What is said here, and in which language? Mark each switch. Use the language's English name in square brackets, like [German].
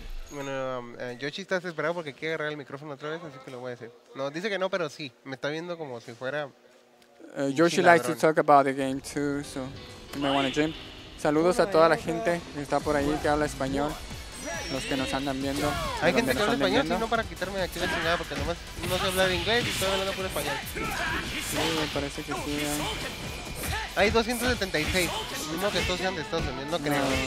[Spanish] Bueno, Yoshi está desesperado porque quiere agarrar el micrófono otra vez, así que lo voy a decir. No, dice que no, pero sí. Me está viendo como si fuera. [English] Yoshi likes to talk about the game too, so you might want to jump. [Spanish] Saludos a toda la gente que está por ahí, que habla español. Los que nos andan viendo. Hay gente que habla español, si no, para quitarme de aquí la chingada, porque nomás no sé hablar inglés y estoy hablando puro español. Sí, me parece que sí. Hay 276. Mismo que todos sean de Estados Unidos, no creo.